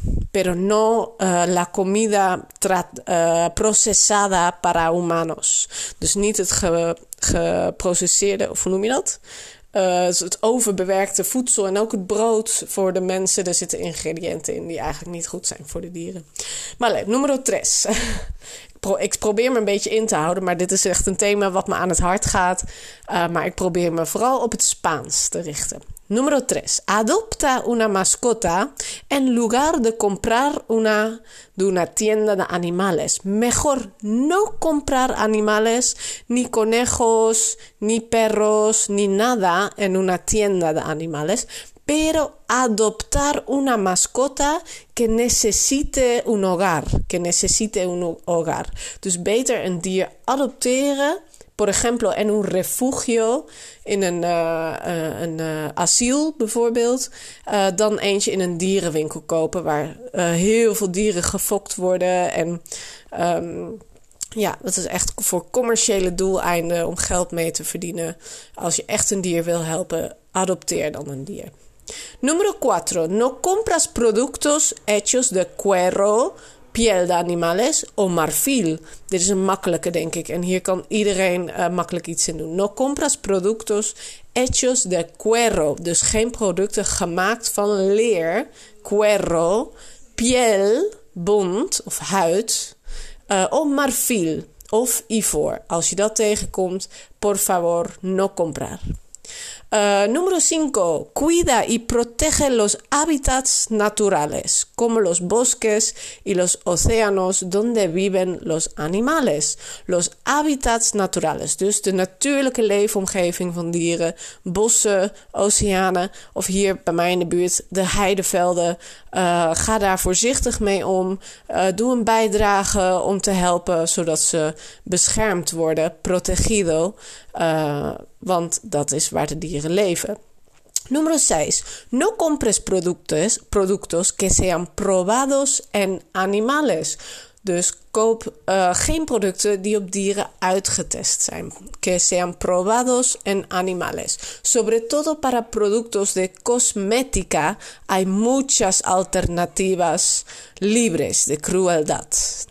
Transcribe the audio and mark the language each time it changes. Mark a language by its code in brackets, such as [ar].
[es] Pero no la comida procesada para humanos. [nl] Dus niet het geprocesseerde, of hoe noem je dat? Het overbewerkte voedsel en ook het brood voor de mensen. Er zitten ingrediënten in die eigenlijk niet goed zijn voor de dieren. Maar [es] vale, número tres. [nl] Ik probeer me een beetje in te houden, maar dit is echt een thema wat me aan het hart gaat. Maar ik probeer me vooral op het Spaans te richten. [es] Número 3. Adopta una mascota en lugar de comprar una tienda de animales. Mejor no comprar animales, ni conejos, ni perros, ni nada en una tienda de animales. Pero adoptar una mascota que necesite un hogar. Que necesite un hogar. [nl] Dus beter een dier adopteren, [es] Por ejemplo, en un refugio, [nl] in een asiel bijvoorbeeld, dan eentje in een dierenwinkel kopen waar heel veel dieren gefokt worden. En ja, dat is echt voor commerciële doeleinden om geld mee te verdienen. Als je echt een dier wil helpen, adopteer dan een dier. [es] Número 4. No compras productos hechos de cuero, piel de animales o marfil. [nl] Dit is een makkelijke, denk ik. En hier kan iedereen makkelijk iets in doen. [es] No compras productos hechos de cuero. [nl] Dus geen producten gemaakt van leer, cuero, piel, bont of huid. O marfil of ivoor. Als je dat tegenkomt, [es] por favor, no comprar. Número 5. Cuida y protege los hábitats naturales, como los bosques y los océanos donde viven los animales. Los hábitats naturales, [nl] dus de natuurlijke leefomgeving van dieren, bossen, oceanen of hier bij mij in de buurt de heidevelden. Ga daar voorzichtig mee om. Doe een bijdrage om te helpen zodat ze beschermd worden, protegido. Want dat is waar de dieren leven. [es] Número 6. No compres productos que sean probados en animales. [nl] Dus koop geen producten die op dieren uitgetest zijn. [es] Que sean probados en animales. Sobre todo para productos de cosmética, hay muchas alternativas libres de crueldad.